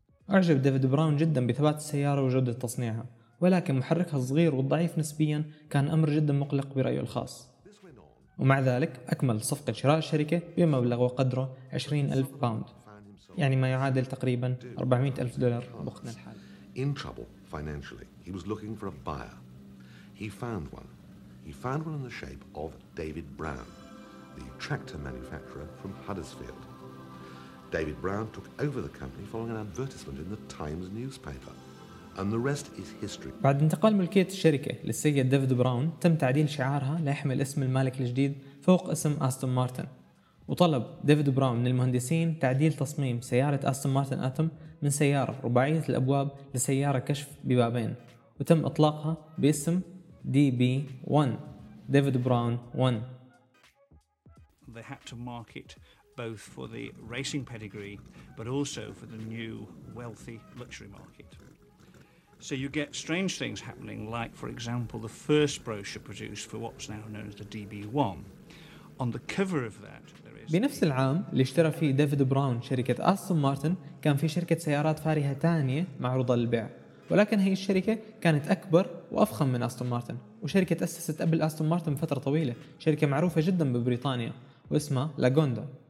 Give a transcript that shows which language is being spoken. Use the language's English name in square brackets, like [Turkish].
[Arabic] أعجب ديفيد براون جدا بثبات السيارة وجودة تصنيعها، ولكن محركها الصغير والضعيف نسبيا كان أمر جدا مقلق برأيه الخاص، ومع ذلك أكمل صفقة شراء الشركة بمبلغ وقدره 20,000 باوند، يعني ما يعادل تقريبا 400,000 دولار بوقتنا الحالي. [English] In trouble financially, he was looking for a buyer. He found one. He found one in the shape of David Brown, the tractor manufacturer from Huddersfield. David Brown took over the company following an advertisement in the Times newspaper, and the rest is history. [Arabic] بعد انتقال ملكية الشركة للسيد ديفيد براون، تم تعديل شعارها ليحمل اسم المالك الجديد فوق اسم أستون مارتن، وطلب ديفيد براون من المهندسين تعديل تصميم سيارة أستون مارتن أتوم من سيارة رباعية الأبواب لسيارة كشف ببابين، وتم إطلاقها باسم DB1، ديفيد براون 1. [English] They had to market both for the racing pedigree but also for the new wealthy luxury market. So you get strange things happening, like for example the first brochure produced for what's now known as the DB1. On the cover of that there is. [Arabic] بنفس العام اللي اشترى فيه ديفيد براون شركة أستون مارتن، كان في شركة سيارات فارهة تانية معروضة للبيع، ولكن هي الشركة كانت أكبر وأفخم من أستون مارتن، وشركة أسست قبل أستون مارتن فترة طويلة، شركة معروفة جدا ببريطانيا واسمها لاغوندا.